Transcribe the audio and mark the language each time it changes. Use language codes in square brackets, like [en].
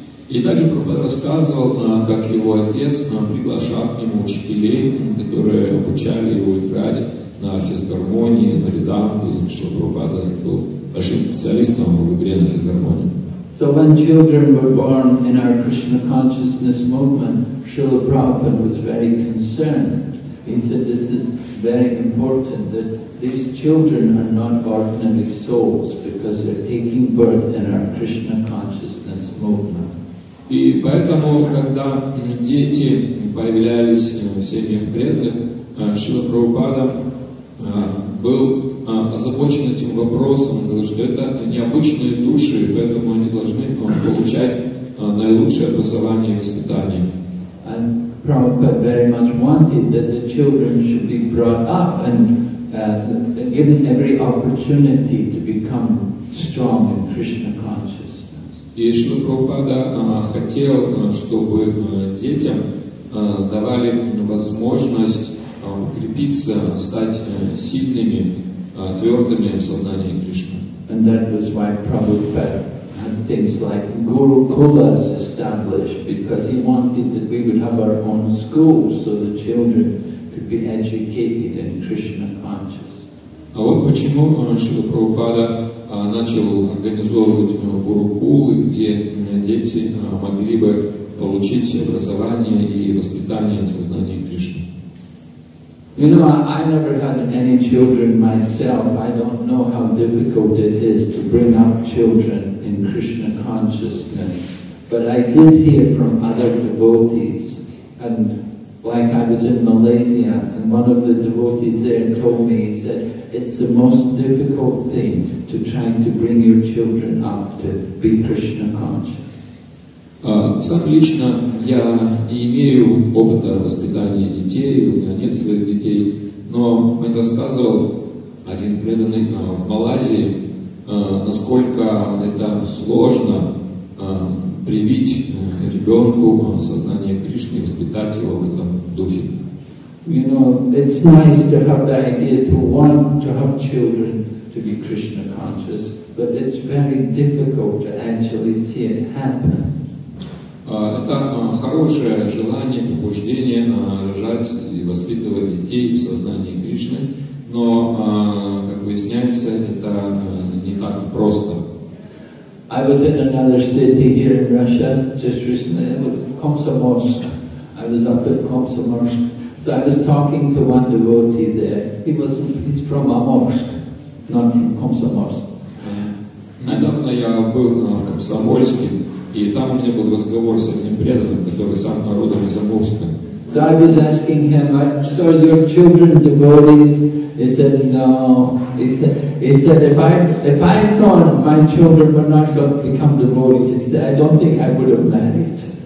[ru] И также Прабхупада рассказывал, как его отец приглашал к нему учителей, которые обучали его играть на физгармонии, на риданге, и Шрила Прабхупада был большим специалистом в игре на физгармонии. [en] So when children were born in our Krishna consciousness movement, Srila Prabhupada was very concerned. He said this is very important that these children are not ordinary souls because they're taking birth in our Krishna consciousness movement. [ru] И поэтому, когда дети появлялись в семьях преданных, Шрила Прабхупада был озабочен этим вопросом, потому что это необычные души, поэтому они должны получать наилучшее образование и воспитание. [en] And Prabhupada very much wanted that the children should be brought up and given every opportunity to become strong in Krishna consciousness. [ru] И Шрила Прабхупада хотел, чтобы детям давали возможность укрепиться, стать сильными, твердыми в сознании Кришны. [en] And that was why Prabhupada had things like Gurukulas established, because he wanted that we would have our own schools so the children could be educated in Krishna consciousness. [ru] А вот почему Шрила Прабхупада начал организовывать Гурукулы, где дети могли бы получить образование и воспитание в сознании Кришны. [en] You know, I never had any children myself. I don't know how difficult it is to bring up children in Krishna consciousness. But I did hear from other devotees, and like I was in Malaysia, and one of the devotees there told me, he said, it's the most difficult thing to try to bring your children up to be Krishna conscious. [ru] Сам лично я не имею опыта воспитания детей, у меня нет своих детей, но мне рассказывал один преданный в Малайзии, насколько это сложно привить ребенку сознание Кришны, воспитать его в этом духе. [en] You know, it's nice to have the idea to want to have children to be Krishna conscious, but it's very difficult to actually see it happen. [ru] Это хорошее желание, побуждение рожать и воспитывать детей в сознании Кришны, но, как выясняется, это не так просто. [en] I was in another city here in Russia just recently, it was Komsomolsk. I was up at Komsomolsk. So I was talking to one devotee there. He's from Amursk, not from Komsomolsk. [ru] Недавно я был в Комсомольске. И там у меня был разговор с одним преданным, который сам народом из Амурска. [en] God was asking him, are your children devotees? He said, no. He said, if I'd known, my children were not going to become devotees. He said, I don't think I would have married.